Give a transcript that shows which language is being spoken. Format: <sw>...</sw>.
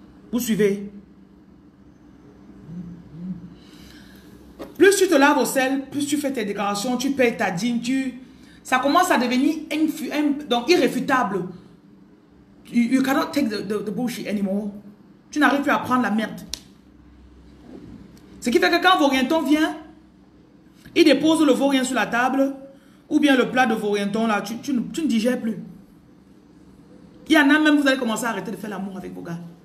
<fr>Vous suivez? Plus tu te laves au sel, plus tu fais tes déclarations, tu payes ta dîme, tu... Ça commence à devenir donc irréfutable.</fr> <en>You cannot take the bullshit anymore.</en> <fr>Tu n'arrives plus à prendre la merde. Ce qui fait que quand Vorienton vient, il dépose le vaurien sur la table, ou bien le plat de Vorienton, là, tu ne digères plus. Il y en a même, vous allez commencer à arrêter de faire l'amour avec vos gars.</fr>